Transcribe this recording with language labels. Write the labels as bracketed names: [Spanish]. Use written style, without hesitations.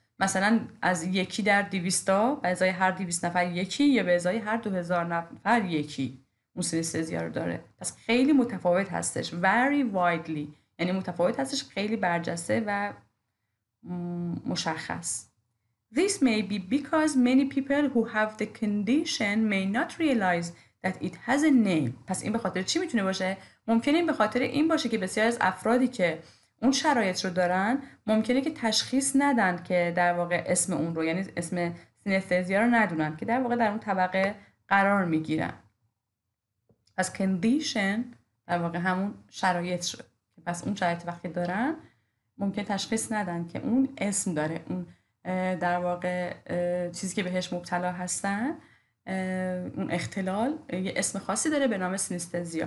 [Persian] مثلا از یکی در 200 به ازای هر 200 نفر یکی، یا به ازای هر 2000 نفر یکی اون سینستزیا رو داره. پس خیلی متفاوت هستش، [English] very widely، [Persian] یعنی متفاوت هستش، خیلی برجسته و مشخص. [English] This may be because many people who have the condition may not realize that it has a name. [Persian] پس این به خاطر چی میتونه باشه؟ ممکنه این به خاطر این باشه که بسیار از افرادی که اون شرایط رو دارن ممکنه که تشخیص ندن که در واقع اسم اون رو، یعنی اسم سینستزیا رو ندونن که در واقع در اون طبقه قرار میگیرن. پس condition در واقع همون شرایط رو، پس اون شرایط وقتی دارن ممکن تشخیص ندن که اون اسم داره، اون در واقع چیزی که بهش مبتلا هستن، اون اختلال یه اسم خاصی داره به نام سینستزیا.